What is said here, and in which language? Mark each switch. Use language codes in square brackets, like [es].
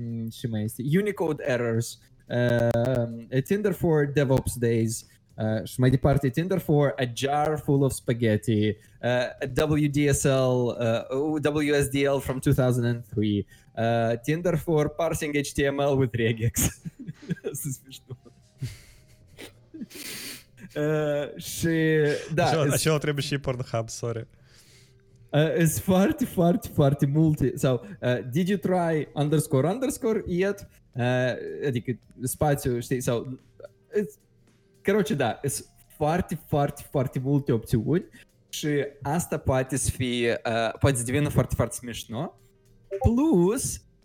[ro] ce mai este, Unicode Errors, [en] Tinder for DevOps Days, și mai departe, Tinder for a jar full of spaghetti, [ro] WDSL, WSDL from 2003, [en] Tinder for parsing HTML with regex. [ro] Asta e smișto. Și, da. Acela trebuie și Pornhub, sorry. Sunt foarte, foarte, foarte multe. [en] So, did you try underscore underscore yet? [ro] Adică spațiu, știi, sau căroce, da, sunt foarte, foarte, foarte multe opțiuni și asta poate să fie, poate să devină foarte, foarte smișno. Plus,